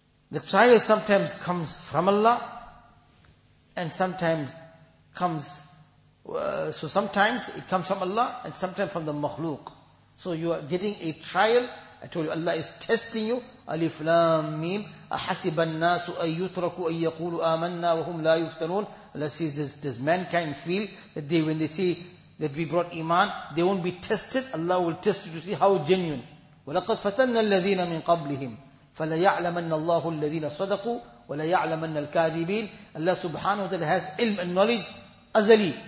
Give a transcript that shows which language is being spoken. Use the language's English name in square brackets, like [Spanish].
[English] The trial sometimes comes from Allah, and sometimes it comes from Allah, and sometimes from the makhluq. So you are getting a trial. I told you, Allah is testing you. [Arabic] Alif lam mim. أحسب الناس أن يتركوا أن يقولوا آمنا وهم لا يفتنون. [English] Allah says, does mankind feel that they, when they see that we brought iman, they won't be tested? Allah will test you to see how genuine. [Arabic] وَلَقَدْ فَتَنَّ الَّذِينَ مِنْ قَبْلِهِمْ فَلَيَعْلَمَنَّ اللَّهُ الَّذِينَ صَدَقُوا وَلَيَعْلَمَنَّ الْكَاذِبِينَ. [English] Allah subhanahu wa ta'ala has ilm and knowledge azali.